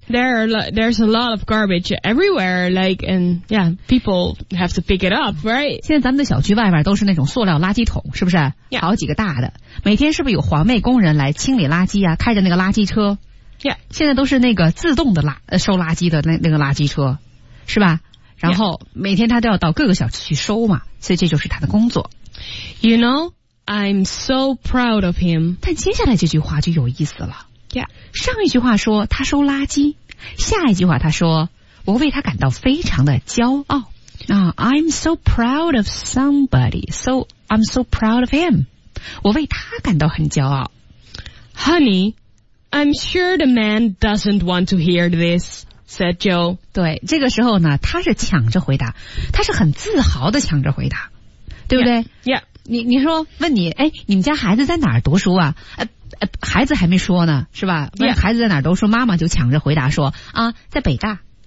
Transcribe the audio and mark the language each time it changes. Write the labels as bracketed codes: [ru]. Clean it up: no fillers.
[en] Yeah, there's a lot of garbage everywhere, like, and yeah, people have to pick it up, right? [zh] 现在咱们的小区外面都是那种塑料垃圾桶，是不是？ [en] Yeah. [zh] 好几个大的。每天是不是有环卫工人来清理垃圾啊，开着那个垃圾车？ [en] Yeah. [zh] 现在都是那个自动的收垃圾的那个垃圾车，是吧？然后每天他都要到各个小区去收嘛，所以这就是他的工作。 [en] You know,I'm so proud of him. [zh] 但接下来这句话就有意思了。 [en] Yeah. [zh] 上一句话说他收垃圾，下一句话他说我为他感到非常的骄傲。 [en] I'm so proud of somebody. So I'm so proud of him. [zh] 我为他感到很骄傲。 [en] Honey, I'm sure the man doesn't want to hear this. Said Joe. [zh] 对，这个时候呢，他是抢着回答，他是很自豪的抢着回答，对不对 [en] ？Yeah. yeah. [zh] 你说问你，哎，你们家孩子在哪儿读书啊？孩子还没说呢，是吧？问孩子在哪儿读书，妈妈就抢着回答说啊，在北大。